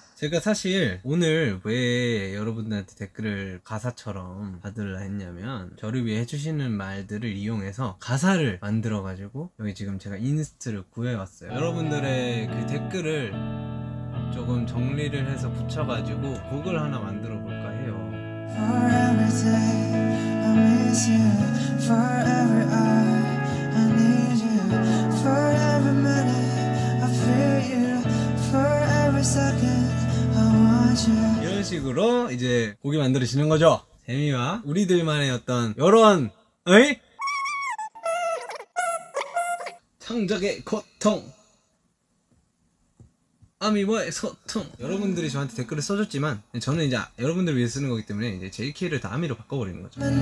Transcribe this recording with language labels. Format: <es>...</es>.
<ko>제가 사실 오늘 왜 여러분들한테 댓글을 가사처럼 받으려 했냐면 저를 위해 해주시는 말들을 이용해서 가사를 만들어가지고 여기 지금 제가 인스트를 구해왔어요. 여러분들의 그 댓글을 조금 정리를 해서 붙여가지고 곡을 하나 만들어 볼까 해요.</ko> <en>For every day I miss you, for every hour I need you, for every minute I fear you, for every second I want you.</en> <ko>이런 식으로 이제 곡이 만들어지는 거죠. 재미와 우리들만의 어떤 이런 에이? 창작의 고통, 아미와의 소통. 여러분들이 저한테 댓글을 써줬지만 저는 이제 여러분들을 위해 쓰는 거기 때문에 이제 JK를 다 아미로 바꿔버리는 거죠.</ko>